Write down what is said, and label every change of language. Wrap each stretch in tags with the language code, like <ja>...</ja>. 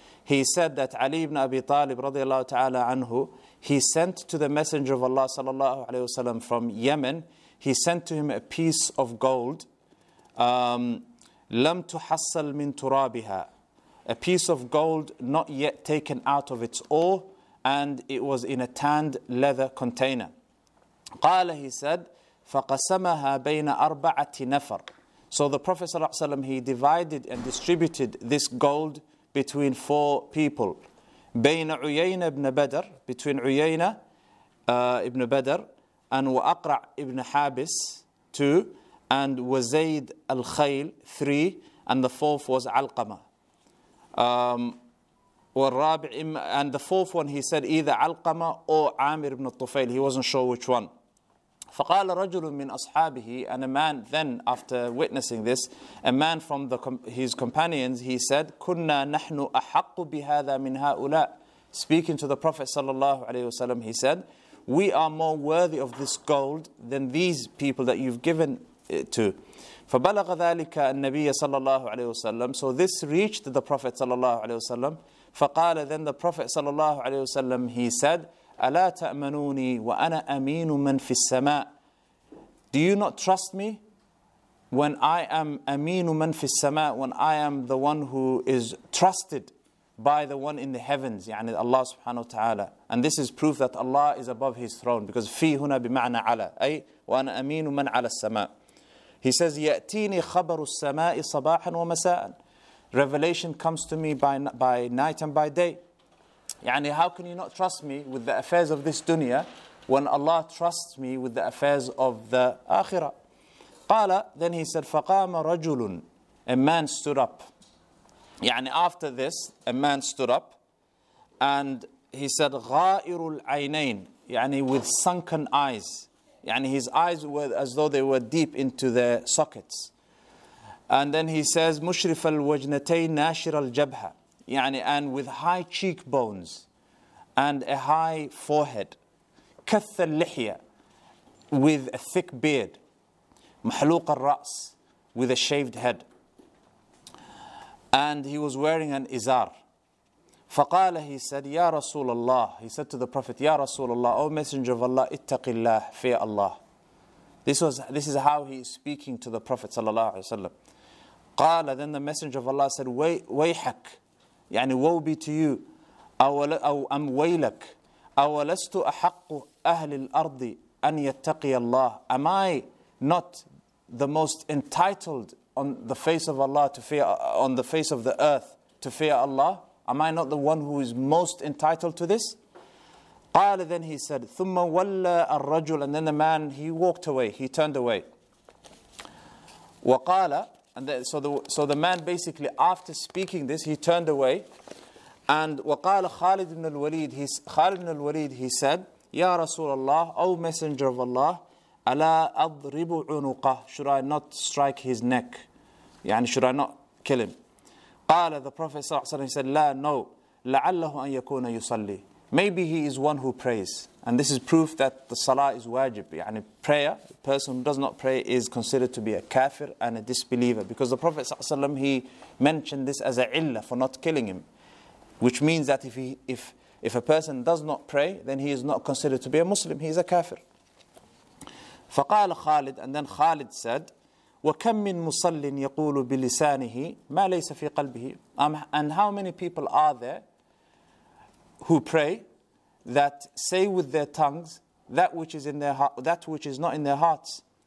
<en>He said that Ali ibn Abi Talib radiyallahu ta'ala anhu, he sent to the Messenger of Allah sallallahu alayhi wasallam from Yemen, he sent to him a piece of gold,</en> <ar>لَمْ تُحَصَّلْ مِنْ تُرَابِهَا,</ar> <en>a piece of gold not yet taken out of its ore, and it was in a tanned leather container.</en> <ar>قَالَ,</ar> <en>he said,</en> <ar>فَقَسَمَهَا بَيْنَ أَرْبَعَةِ نَفَرْ.</ar> <en>So the Prophet sallallahu alayhi wasallam, he divided and distributed this gold between four people.</en> <ar>بين عيينة بن بدر, between عيينة ابن بدر, and وأقرع ابن حابس, two, and وزيد الخيل, three,</ar> <en>and the fourth was</en> <ar>علقمة.</ar> <en>والرابع, and the fourth one, he said either علقمة or عامر بن الطفيل, he wasn't sure which one.</en> <ar>فقال رجل من أصحابه,</ar> <en>and a man then, after witnessing this, a man from his companions, he said,</en> <ar>كنا نحن أحق بهذا من هؤلاء.</ar> <en>Speaking to the Prophet sallallahu alaihi wasallam, he said, we are more worthy of this gold than these people that you've given it to.</en> <ar>فبلغ ذلك النبي صلى الله عليه وسلم.</ar> <en>So this reached the Prophet sallallahu alaihi wasallam. فقال, then the Prophet sallallahu alaihi wasallam, he said,</en> <ar>ألا تأمنوني وأنا أمين من في السماء.</ar> <en>Do you not trust me when I am</en> <ar>أمين من في السماء,</ar> <en>when I am the one who is trusted by the one in the heavens, يعني Allah subhanahu wa ta'ala. And this is proof that Allah is above his throne, because</en> <ar>في هنا بمعنى على, أي وأنا أمين من على السماء.</ar> <en>He says,</en> <ar>يأتيني خبر السماء صباحا ومساء.</ar> <en>Revelation comes to me by night and by day. يعني how can you not trust me with the affairs of this dunya when Allah trusts me with the affairs of the akhirah. قال, then he said,</en> <ar>فقام رجل,</ar> <en>a man stood up. يعني after this, a man stood up and he said,</en> <ar>غائر العينين,</ar> <en>يعني with sunken eyes. يعني his eyes were as though they were deep into their sockets. And then he says,</en> <ar>مشرف الوجنتين ناشر الجبهة.</ar> <en>يعني and with high cheekbones and a high forehead.</en> <ar>كث اللحية,</ar> <en>with a thick beard.</en> <ar>محلوق الرأس,</ar> <en>with a shaved head. And he was wearing an izar. فَقَالَ, he said,</en> <ar>يَا رَسُولَ اللَّهِ,</ar> <en>he said to the Prophet, يَا رَسُولَ اللَّهِ, O Messenger of Allah,</en> <ar>اتَّقِ اللَّهِ,</ar> <en>fear Allah. This is how he is speaking to the Prophet صلى الله عليه وسلم.</en> <ar>قَالَ,</ar> <en>then the Messenger of Allah said,</en> <ar>وَيْحَكْ, يعني</ar> <en>woe be to you,</en> <ar>أو أم ويلك, أَوَلَسْتُ أَحَقُّ أَهْلِ الْأَرْضِ أَنْ يَتَّقِيَ اللَّهِ.</ar> <en>Am I not the most entitled on the face of Allah to fear, on the face of the earth to fear Allah? Am I not the one who is most entitled to this? قال, then he said,</en> <ar>ثم ولى الرجل,</ar> <en>and then the man, he walked away, he turned away. وقال, and then, so the man basically, after speaking this, he turned away. And وقال خالد بن الوليد, he said,</en> <ar>يا رسول الله,</ar> <en>O Messenger of Allah,</en> <ar>ألا أضرب عنقه؟</ar> <en>Should I not strike his neck? يعني should I not kill him? قال the Prophet صلى الله عليه وسلم, he said, لا, no.</en> <ar>لعله أن يكون يصلي.</ar> <en>Maybe he is one who prays. And this is proof that the salah is wajib. يعني prayer, a person who does not pray is considered to be a kafir and a disbeliever. Because the Prophet صلى الله عليه وسلم, he mentioned this as a illah for not killing him. Which means that if a person does not pray, then he is not considered to be a Muslim. He is a kafir.</en> <ar>فقال خالد,</ar> <en>and then Khalid said,</en> <ar>وكم من مصل يقول بلسانه ما ليس في قلبه.</ar> <en>And how many people are there who pray that say with their tongues that which is in their heart, that which is not in their hearts?</en>